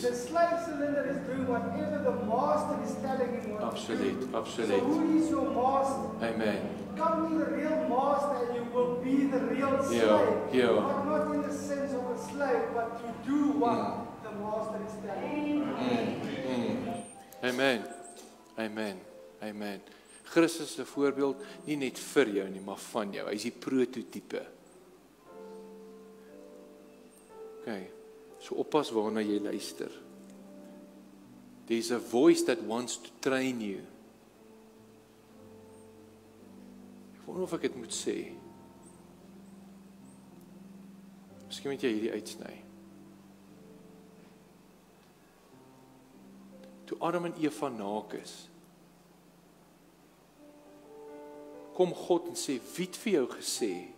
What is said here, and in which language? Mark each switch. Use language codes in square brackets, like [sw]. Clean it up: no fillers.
[en] The slave cylinder is doing whatever the master is telling him what. Absolutely. Absolutely. So who is your master? Amen. Come to the real master and you will be the real slave. Yeah. Yeah. But not in the sense of a slave, but to do what the master is telling him. Amen. Amen. Amen. [af] Christus is 'n voorbeeld, nie net vir jou nie, maar van jou. Hy is die prototype. okay. So oppas waarna jy luister. [en] There's a voice that wants to train you. [af] Ek wonder of ek dit moet sê. Miskien moet jy hierdie uitsny. Toe Adam en Eva naak is, kom God en sê, wie het vir jou gesê?